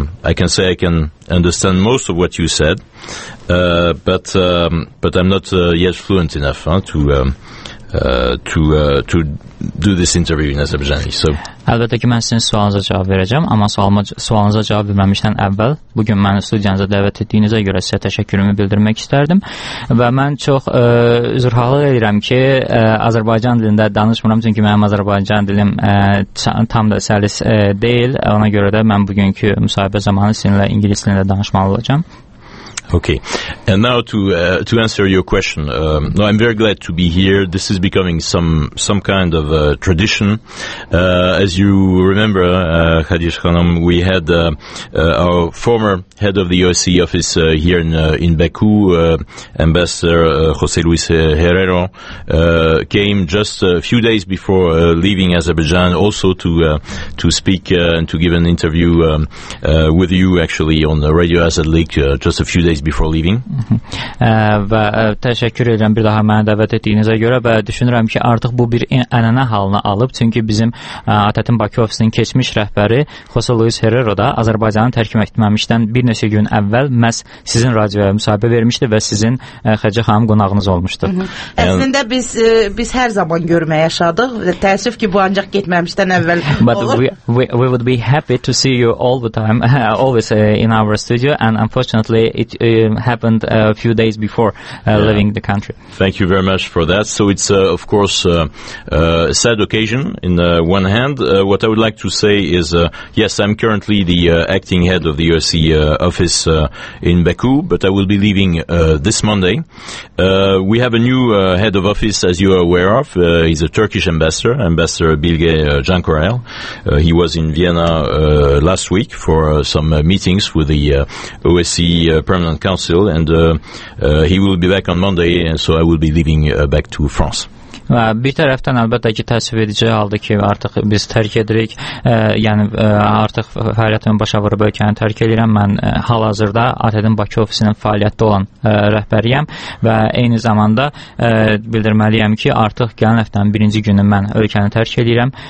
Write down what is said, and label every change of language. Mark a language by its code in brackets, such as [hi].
[en] I can say I can understand most of what you said, but I'm not yet fluent enough to do this interview in Azerbaijani. So. [az] Əlbəttə ki, mən sizin sualınıza cavab verəcəm, amma sualınıza cavab verməmişdən əvvəl bugün mənə studiyanıza dəvət etdiyinizə görə sizə təşəkkürümü bildirmək istərdim və mən çox üzrxahlıq edirəm ki, Azərbaycan dilində danışmıram, çünki mənim Azərbaycan dilim tam da səlis deyil, ona görə də mən bugünkü müsahibə zamanı sizinlə ingilis dilində danışmalı olacam. [en] Okay, and now to answer your question. No, I'm very glad to be here. This is becoming some kind of a tradition. As you remember, Khadija Khanom, we had our former head of the OSCE office here in Baku, Ambassador José Luis Herrero, came just a few days before leaving Azerbaijan, also to speak and to give an interview with you, actually, on the Radio Azadlik, just a few days before leaving. [az] Və təşəkkür edirəm bir daha mənə dəvət etdiyinizə görə və düşünürəm ki, artıq bu bir ənənə halını alıb, çünki bizim ATƏT-in Bakı ofisinin keçmiş rəhbəri José Luis Herrero da Azərbaycanı tərk etməmişdən bir neçə gün əvvəl məhz sizin radioya müsahibə vermişdi və sizin Xədicə xanım qonağınız olmuşdu. Əslində biz hər zaman görməyə yaşadıq. Təəssüf ki, bu ancaq getməmişdən əvvəl [en] but [az] olur. [en] We would be happy to see you all the time, always in our studio, and unfortunately it happened a few days before leaving the country. Thank you very much for that. So it's, of course, a sad occasion in one hand. What I would like to say is, yes, I'm currently the acting head of the OSCE office in Baku, but I will be leaving this Monday. We have a new head of office, as you are aware of. He's a Turkish ambassador, Ambassador Bilge Cankurel. He was in Vienna last week for some meetings with the OSCE Permanent Council, and he will be back on Monday, and so I will be leaving back to France. [az] Və bir tərəfdən əlbəttə ki, təəssüf edici aldı ki, artıq biz tərk edirik, yəni artıq fəaliyyətimi başa vurub ölkəni tərk edirəm. Mən hal-hazırda ATƏD-in Bakı ofisinin fəaliyyətdə olan rəhbəriyəm və eyni zamanda bildirməliyəm ki, artıq gələn həftənin birinci günü mən ölkəni tərk edirəm.